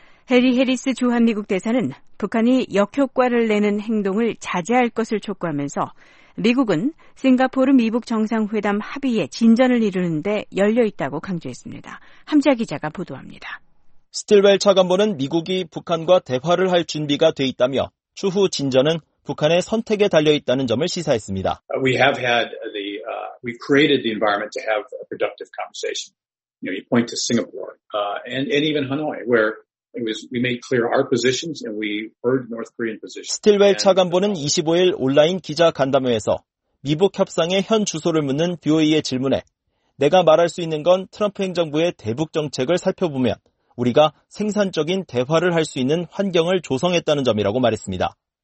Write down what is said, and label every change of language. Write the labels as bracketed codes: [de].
[ko] 해리 해리스 주한미국 대사는 북한이 역효과를 내는 행동을 자제할 것을 촉구하면서 미국은 싱가포르 미북 정상회담 합의에 진전을 이루는 데 열려있다고 강조했습니다. 함지아 기자가 보도합니다. 스틸웰 차관보는 미국이 북한과 대화를 할 준비가 돼 있다며 추후 진전은 북한의 선택에 달려 있다는 점을 시사했습니다. [en] We have had the we've created the environment to have a productive conversation. You know, you point to Singapore and even Hanoi where it was we made clear our positions and we heard North Korean positions. [ko] 스틸웰 차관보는 25일 온라인 기자 간담회에서 미북 협상의 현 주소를 묻는 BOE의 질문에 내가 말할 수 있는 건 트럼프 행정부의 대북 정책을 살펴보면 우리가 생산적인 대화를 할 수 있는 환경을 조성했다는 점이라고 말했습니다.